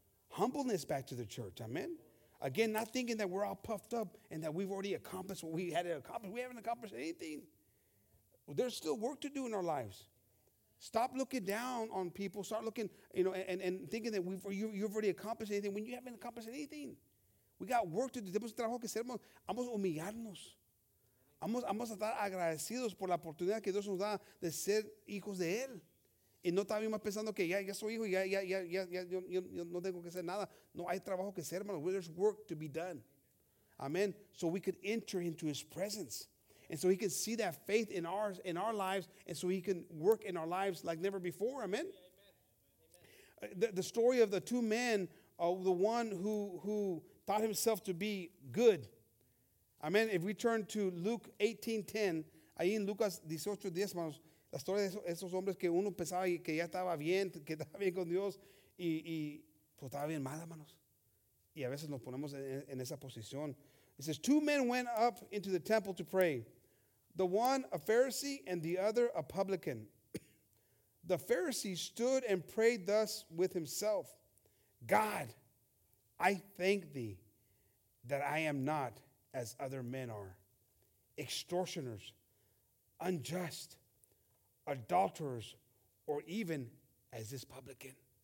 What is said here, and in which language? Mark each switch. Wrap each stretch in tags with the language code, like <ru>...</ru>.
<en>Humbleness back to the church. Amen. Again, not thinking that we're all puffed up and that we've already accomplished what we had to accomplish. We haven't accomplished anything. Well, there's still work to do in our lives. Stop looking down on people. Start looking, you know, and thinking that you've already accomplished anything when you haven't accomplished anything. We got work to do.</en> <es>Tenemos trabajo que hacer. Vamos a humillarnos. Vamos a estar agradecidos por la oportunidad que Dios nos da de ser hijos de Él. Y no estar más pensando que ya soy hijo y ya yo no tengo que hacer nada. No, hay trabajo que hacer, hermano.</es> <en>There's work to be done.</en> <es>Amen.</es> <en>So we could enter into His presence. And so He can see that faith in our lives, and so He can work in our lives like never before. Amen. The story of the two men, the one who thought himself to be good. Amen. If we turn to Luke 18:10,</en> <es>ahí en Lucas 18:10, hermanos, la historia de esos hombres que uno pensaba que ya estaba bien, que estaba bien con Dios, y pues estaba bien mal, hermanos. Y a veces nos ponemos en esa posición.</es> <en>It says, two men went up into the temple to pray, the one a Pharisee and the other a publican. The Pharisee stood and prayed thus with himself, God, I thank thee that I am not as other men are, extortioners, unjust, adulterers, or even as this publican.</en>